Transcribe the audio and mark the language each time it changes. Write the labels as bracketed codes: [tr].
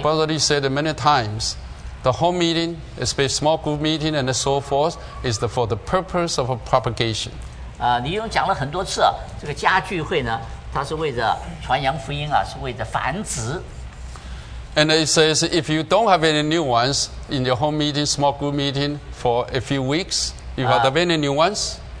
[en] The brother said many times, the home meeting, especially small group meeting and so forth, is for the purpose of propagation. [zh] 李勇讲了很多次，这个家聚会呢，它是为着传扬福音啊，是为着繁殖。 [en] And it says, if you don't have any new ones in your home meeting, small group meeting for a few weeks, you don't have any new ones.